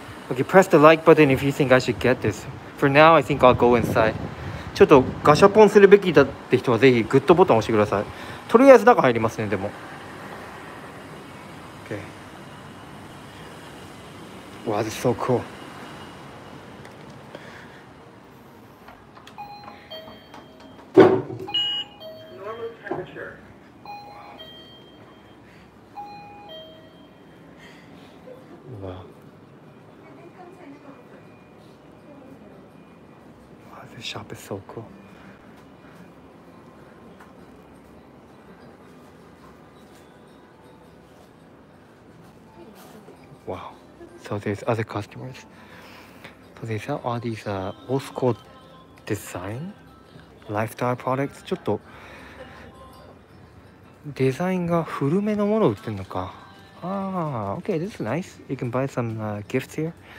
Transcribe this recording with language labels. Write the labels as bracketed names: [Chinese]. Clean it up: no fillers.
[English] Okay, press the like button if you think I should get this. For now, I think I'll go inside. [Japanese] ちょっとガシャポンするべきだって人はぜひグッドボタン押してください。とりあえず中入りますね。でも OK. [English] Wow, this is so coolShop is so cool. Wow. So there's other customers. So they sell all these old school design lifestyle products。 [Japanese] ちょっとデザインが古めのものを売ってるのか。 [English] ah okay this is nice you can buy some、gifts here。